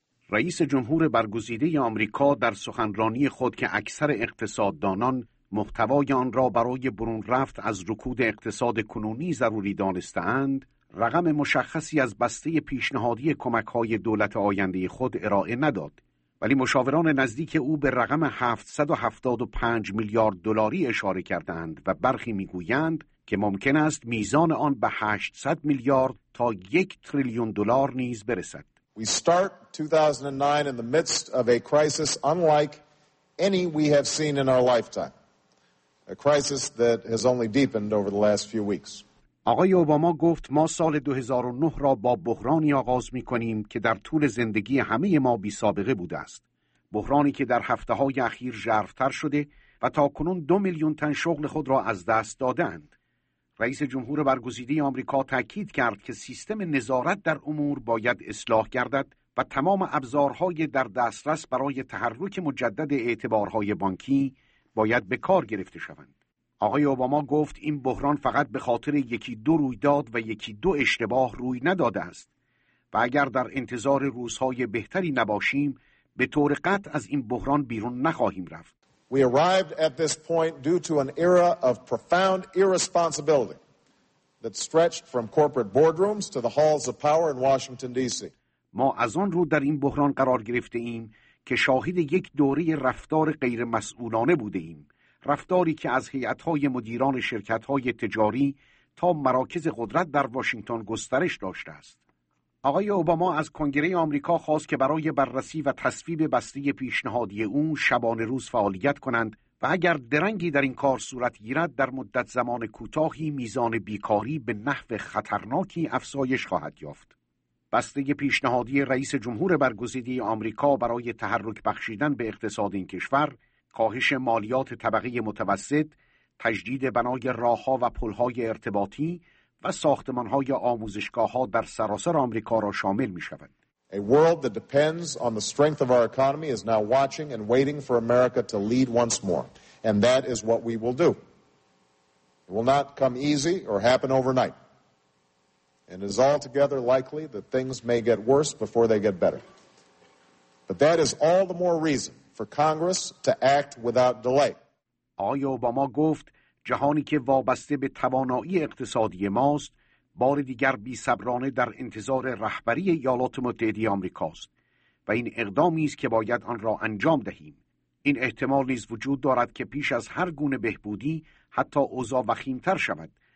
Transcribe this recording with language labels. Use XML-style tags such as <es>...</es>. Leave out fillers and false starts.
<fa>رئیس جمهور برگزیده آمریکا در سخنرانی خود که اکثر اقتصاددانان محتوای آن را برای برون رفت از رکود اقتصاد کنونی ضروری دانستند، رقم مشخصی از بسته پیشنهادی کمک‌های دولت آینده خود ارائه نداد، ولی مشاوران نزدیک او به رقم 775 میلیارد دلاری اشاره کردند و برخی می‌گویند که ممکن است میزان آن به 800 میلیارد تا 1 تریلیون دلار نیز برسد.</fa> <en>We start 2009 in the midst of a crisis unlike any we have seen in our lifetime. A crisis that has only deepened over the last few weeks.</en> <fa>آقای اوباما گفت ما سال 2009 را با بحرانی آغاز می‌کنیم که در طول زندگی همه ما بی‌سابقه بوده است. بحرانی که در هفته‌های اخیر ژرف‌تر شده و تاکنون 2 میلیون تن شغل خود را از دست دادند. رئیس جمهور برگزیده آمریکا تأکید کرد که سیستم نظارت در امور باید اصلاح گردد و تمام ابزارهای در دسترس برای تحرک مجدد اعتبارهای بانکی باید به کار گرفته شوند. آقای اوباما گفت این بحران فقط به خاطر یکی دو رویداد و یکی دو اشتباه روی نداده است و اگر در انتظار روزهای بهتری نباشیم، به طور قطع از این بحران بیرون نخواهیم رفت.</fa> <en>We arrived at this point due to an era of profound irresponsibility that stretched from corporate boardrooms to the halls of power in Washington D.C.</en> <fa>ما از آن رو در این بحران قرار گرفته ایم که شاهد یک دوره رفتار غیر مسئولانه بوده ایم، رفتاری که از هیئت‌های مدیران شرکت‌های تجاری تا مراکز قدرت در واشنگتن گسترش داشته است. آقای اوباما از کنگره آمریکا خواست که برای بررسی و تصویب بسته پیشنهادی او شبانه روز فعالیت کنند و اگر درنگی در این کار صورت گیرد، در مدت زمان کوتاهی میزان بیکاری به نحو خطرناکی افزایش خواهد یافت. بسته پیشنهادی رئیس جمهور برگزیده آمریکا برای تحرک بخشیدن به اقتصاد این کشور، کاهش مالیات طبقه متوسط، تجدید بنای راه‌ها و پل‌های ارتباطی و ساختمان‌های آموزشگاه‌ها در سراسر آمریکا را شامل می‌شود.</fa> <en>A world that depends on the strength of our economy is now watching and waiting for America to lead once more, and that is what we will do. It will not come easy or happen overnight. And it is altogether likely that things may get worse before they get better. But that is all the more reason for Congress to act without delay.</en> <fa>آقای اوباما گفت جهانی که وابسته به توانایی اقتصادی ماست، بار دیگر بی‌صبرانه در انتظار رهبری ایالات متحده آمریکاست و این اقدامی است که باید آن را انجام دهیم. این احتمال نیز وجود دارد که پیش از هر گونه بهبودی، حتی اوضاع وخیم‌تر شود.</fa>